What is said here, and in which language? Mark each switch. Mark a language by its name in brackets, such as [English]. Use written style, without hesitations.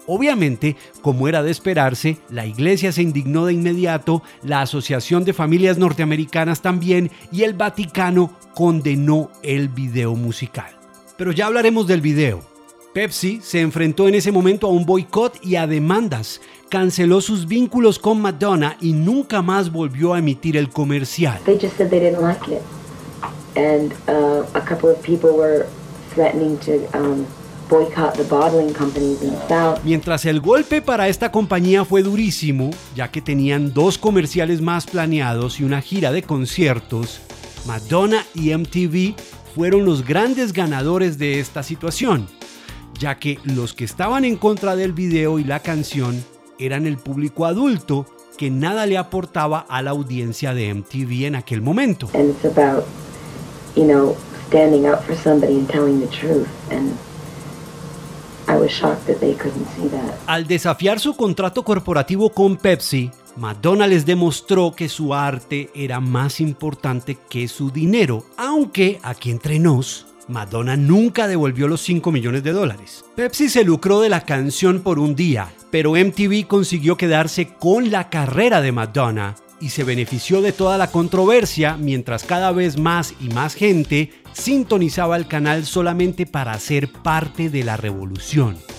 [Spanish] Obviamente, como era de esperarse, la iglesia se indignó de inmediato, la Asociación de Familias Norteamericanas también y el Vaticano condenó el video musical. Pero ya hablaremos del video. Pepsi se enfrentó en ese momento a un boicot y a demandas, canceló sus vínculos con Madonna y nunca más volvió a emitir el comercial. [English] They just said they didn't like it. And a couple of people were threatening to boycott the bottling companies in the South. [Spanish] Mientras el golpe para esta compañía fue durísimo, ya que tenían dos comerciales más planeados y una gira de conciertos, Madonna y MTV fueron los grandes ganadores de esta situación, ya que los que estaban en contra del video y la canción eran el público adulto, que nada le aportaba a la audiencia de MTV en aquel momento. [English] And it's about, you know, standing up for somebody and telling the truth. And I was shocked that they couldn't see that. [Spanish] Al desafiar su contrato corporativo con Pepsi, Madonna les demostró que su arte era más importante que su dinero, aunque aquí entre nos, Madonna nunca devolvió los 5 millones de dólares. Pepsi se lucró de la canción por un día, pero MTV consiguió quedarse con la carrera de Madonna y se benefició de toda la controversia mientras cada vez más y más gente sintonizaba el canal solamente para ser parte de la revolución.